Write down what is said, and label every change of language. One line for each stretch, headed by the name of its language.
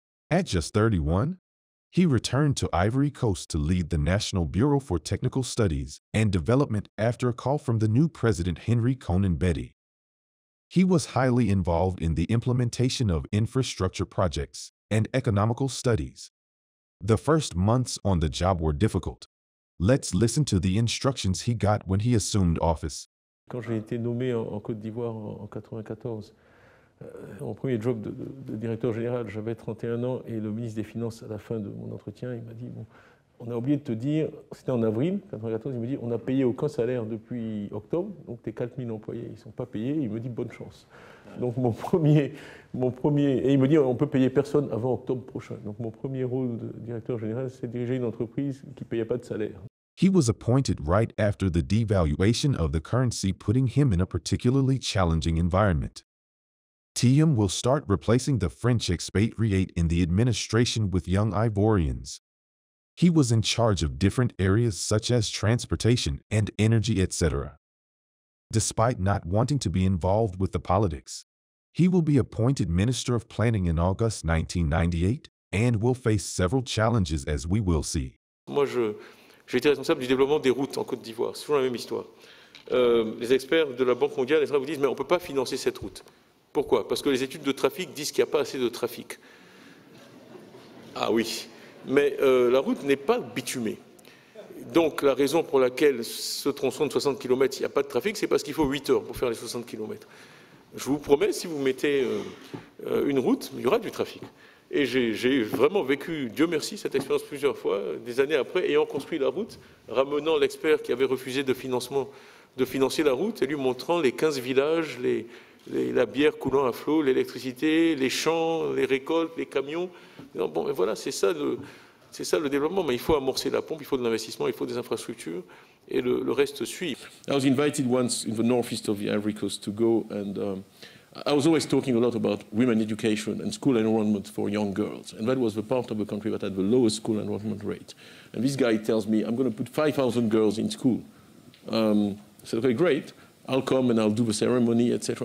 English: At just 31, he returned to Ivory Coast to lead the National Bureau for Technical Studies and Development after a call from the new president, Henri Konan Bedi. He was highly involved in the implementation of infrastructure projects and economical studies. The first months on the job were difficult. Let's listen to the instructions he got when he assumed office.
French: Quand j'ai été nommé en Côte d'Ivoire en 94, mon premier job de directeur général, j'avais 31 ans et le ministre des Finances, à la fin de mon entretien, il m'a dit bon, on a oublié de te dire, c'était en avril 94, il me dit on n'a payé aucun salaire depuis octobre, donc tes 4 000 employés, ils ne sont pas payés, il me dit bonne chance. Donc mon premier, et il me dit on ne peut payer personne avant octobre prochain. Donc mon premier rôle de directeur général, c'est diriger une entreprise qui ne payait pas de salaire.
English: He was appointed right after the devaluation of the currency, putting him in a particularly challenging environment. Thiam will start replacing the French expatriate in the administration with young Ivorians. He was in charge of different areas such as transportation and energy, etc. Despite not wanting to be involved with the politics, he will be appointed Minister of Planning in August 1998 and will face several challenges, as we will see.
French: J'ai été responsable du développement des routes en Côte d'Ivoire. C'est toujours la même histoire. Les experts de la Banque mondiale, etc., vous disent « mais on ne peut pas financer cette route ». Pourquoi ? Parce que les études de trafic disent qu'il n'y a pas assez de trafic. Ah oui, mais la route n'est pas bitumée. Donc la raison pour laquelle ce tronçon de 60 km, il n'y a pas de trafic, c'est parce qu'il faut 8 heures pour faire les 60 km. Je vous promets, si vous mettez une route, il y aura du trafic. Et j'ai vraiment vécu, Dieu merci, cette expérience plusieurs fois, des années après, ayant construit la route, ramenant l'expert qui avait refusé de financer la route et lui montrant les 15 villages, la bière coulant à flot, l'électricité, les champs, les récoltes, les camions. Disant, bon, mais voilà, c'est ça le développement. Mais il faut amorcer la pompe, il faut de l'investissement, il faut des infrastructures, et le reste suit.
English: I was invited once in the northeast of the Ivory Coast to go and... I was always talking a lot about women education and school enrollment for young girls. And that was the part of the country that had the lowest school enrollment rate. And this guy tells me, I'm going to put 5,000 girls in school. I said, okay, great. I'll come and I'll do the ceremony, etc.